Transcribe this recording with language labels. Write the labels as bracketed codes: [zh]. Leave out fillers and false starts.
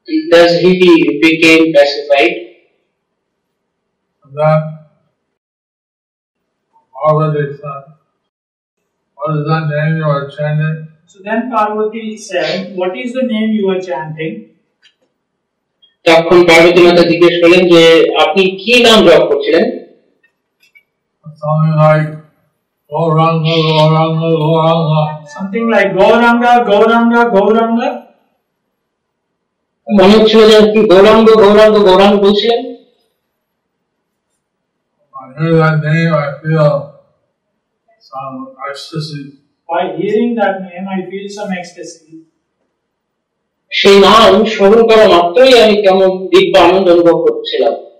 [en] Thus he became pacified. What is the name you are chanting? So then Parvati said, what is the name you are chanting? [bn] তখন পার্বতী মাতা জিজ্ঞেস করলেন যে আপনি কি নাম জপ করছিলেন? [en] Something like Gauranga, Gauranga, Gauranga. Something like Gauranga, Gauranga, Gauranga. [bn] মনে হচ্ছিল যে আপনি Gauranga, Gauranga, Gauranga বলছিলেন। [en] By hearing that name, I feel some ecstasy. By hearing that name, I feel some ecstasy. [bn] সেই নাম শুরু করা মাত্রই আমি কেমন দিব্য আনন্দ অনুভব করছিলাম।